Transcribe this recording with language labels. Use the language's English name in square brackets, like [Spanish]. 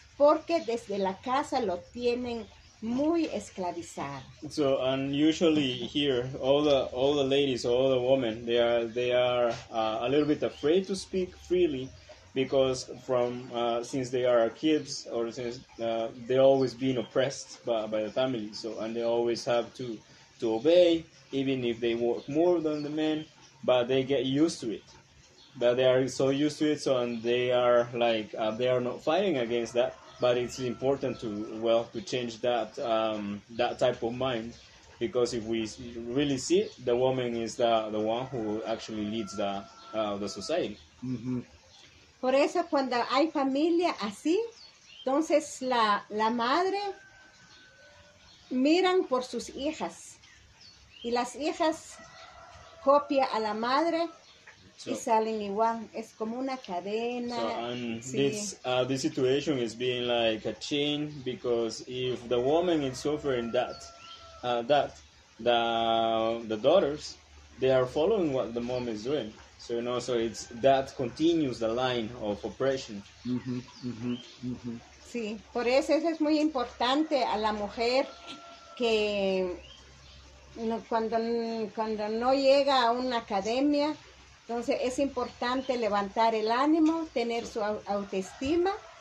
[Spanish] Porque desde la casa lo tienen muy esclavizado. [English] So, and usually here, all the ladies, all the women, they are a little bit afraid to speak freely. Because from since they are kids, or since they always been oppressed by the family, so and they always have to obey, even if they work more than the men, but they get used to it. But they are so used to it, so and they are like they are not fighting against that. But it's important to change that that type of mind, because if we really see it, the woman is the one who actually leads the society. Mm-hmm. [Spanish] Por eso cuando hay familia así, entonces la madre miran por sus hijas y las hijas copia a la madre, so, y salen igual, es como una cadena. [English] So, and sí. this situation is being like a chain, because if the woman is suffering that the daughters, they are following what the mom is doing. So, you know, so it's that continues the line of oppression. Mm-hmm, mm-hmm, mm-hmm. [Spanish] Sí, por eso es muy importante a la mujer que cuando no llega a una academia, entonces es importante levantar el ánimo, tener su autoestima.